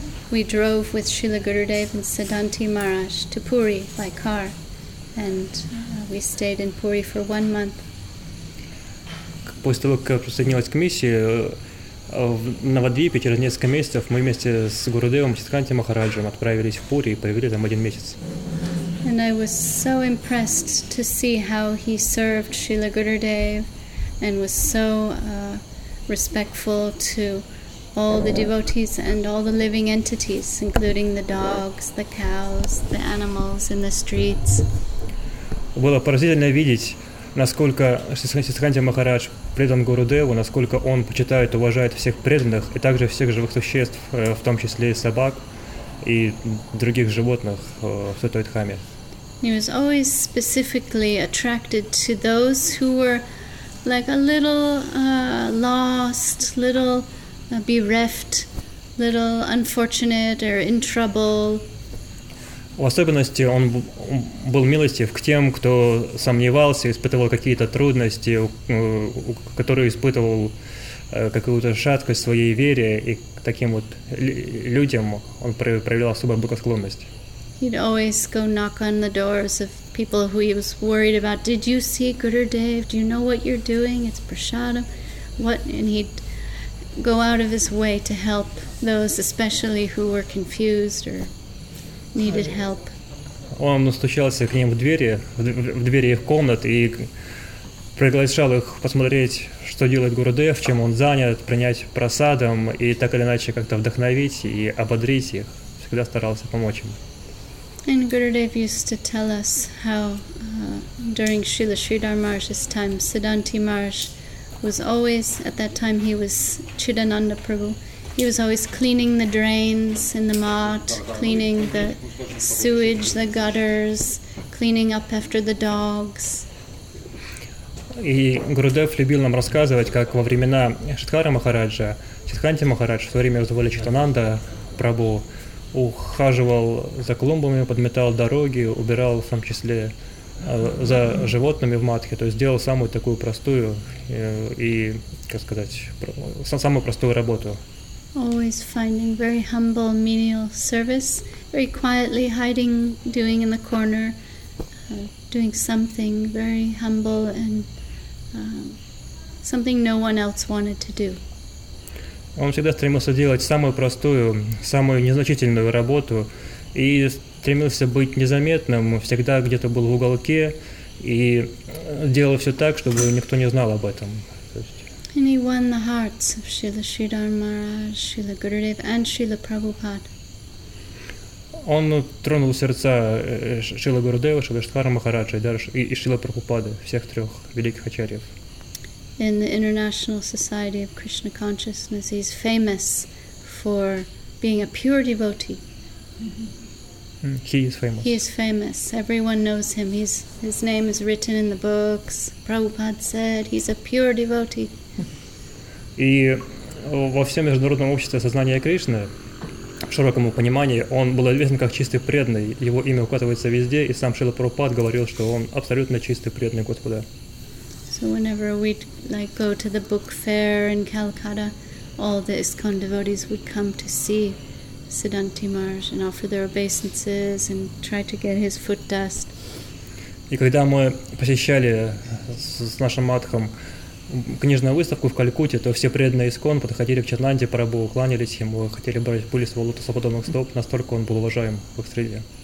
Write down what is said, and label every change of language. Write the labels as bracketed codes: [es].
[en] We drove with Srila Gurudev and Siddhanti Maharaj to Puri by car, and we stayed in Puri for 1 month. [ru] После того, как я присоединилась к миссии, в Навадвипе через несколько месяцев мы вместе с Гурудевом Сиддханти Махараджем отправились в Пури и провели там 1 месяц. [en] And I was so impressed to see how he served Srila Gurudev and was so respectful to all the devotees and all the living entities, including the dogs, the cows, the animals in the streets. [ru] Было поразительно видеть, насколько Сиддханти Махарадж предан Гурудеву, насколько он почитает и уважает всех преданных, и также всех живых существ, в том числе и собак, и других животных в Святой Дхаме. [en] He was always specifically attracted to those who were like a little lost, little bereft, little unfortunate or in trouble. [ru] В особенности он был милостив к тем, кто сомневался, испытывал какие-то трудности, который испытывал какую-то шаткость в своей вере, и к таким вот людям он проявлял особую благосклонность. [en] He'd always go knock on the doors of people who he was worried about. Did you see Gurudev? Do you know what you're doing? It's prasadam. What? And he'd go out of his way to help those, especially who were confused or needed help. [ru] Он стучался к ним в двери их комнат и приглашал их посмотреть, что делает Гурудев, чем он занят, принять просадом и так или иначе как-то вдохновить и ободрить их. Всегда старался помочь им. [en] And Gurudev used to tell us how during Srila Sridhar Maharaj's time, Siddhanti Maharaj was always, at that time he was Chidananda Prabhu, he was always cleaning the drains in the mat, cleaning the sewage, the gutters, cleaning up after the dogs. [ru] И Гурудев любил нам рассказывать, как во времена Шридхара Махараджа, Сиддханти Махарадж, в то время звали Читананда Прабу, ухаживал за клумбами, подметал дороги, убирал в том числе за животными в матхе, то есть сделал самую такую простую и, как сказать, самую простую работу. [en] Always finding very humble menial service, very quietly hiding, doing in the corner, doing something very humble and something no one else wanted to do. [ru] Он всегда стремился делать самую простую, самую незначительную работу и стремился быть незаметным, всегда где-то был в уголке и делал все так, чтобы никто не знал об этом. [en] And he won the hearts of Srila Sridhar Maharaj, Srila Gurudev, and Srila Prabhupada. [ru] Он тронул сердца Шрилы Гурудева, Шрилы Шридхара Махараджа и Шрилы Прабхупады, всех трех великих ачарьев. [en] In the International Society of Krishna Consciousness, he's famous for being a pure devotee. He is famous. He is famous. Everyone knows him. His name is written in the books. Prabhupada said he's a pure devotee. [ru] И во всем международном обществе сознания Кришны, в широком понимании, он был известен как чистый преданный. Его имя указывается везде, и сам Шрила Прабхупада говорил, что он абсолютно чистый преданный Господа. [en] So whenever we'd like go to the book fair in Calcutta, all the ISKCON devotees would come to see Siddhanti Maharaj and offer their obeisances and try to get his foot dust. [ru] И когда мы посещали с нашим матхом книжную выставку в Калькутте, то все преданные ИСККОН подходили к Читананде Прабху, кланялись ему, хотели брать пыль с его лотосоподобных стоп, настолько он был уважаем в их среде.